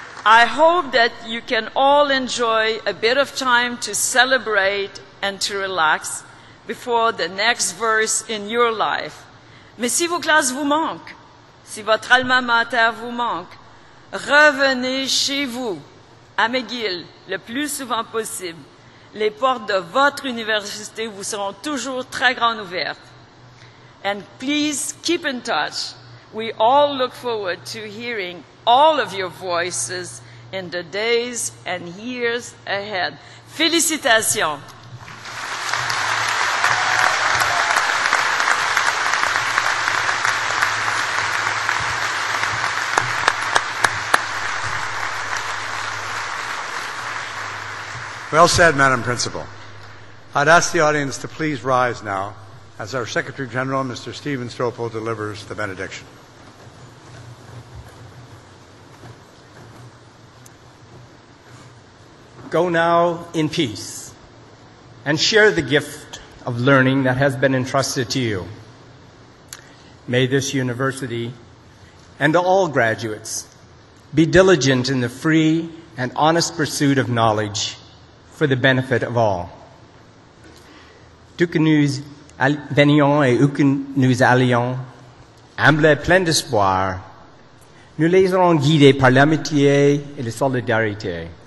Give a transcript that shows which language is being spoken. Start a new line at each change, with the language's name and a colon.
English: I hope that you can all enjoy a bit of time to celebrate and to relax before the next verse in your life.
French: Mais si vos classes vous manquent, si votre alma mater vous manque, revenez chez vous, à McGill, le plus souvent possible. Les portes de votre université vous seront toujours très grandes ouvertes.
English: And please keep in touch. We all look forward to hearing all of your voices in the days and years ahead.
French: Félicitations.
English: Well said, Madam Principal. I'd ask the audience to please rise now as our Secretary General, Mr. Stephen Stropel, delivers the benediction. Go now in peace and share the gift of learning that has been entrusted to you. May this university and all graduates be diligent in the free and honest pursuit of knowledge for the benefit of all.
French: Tout que nous venions et où que nous allions, humbles et pleins d'espoir, nous les aurons guidés par l'amitié et la solidarité.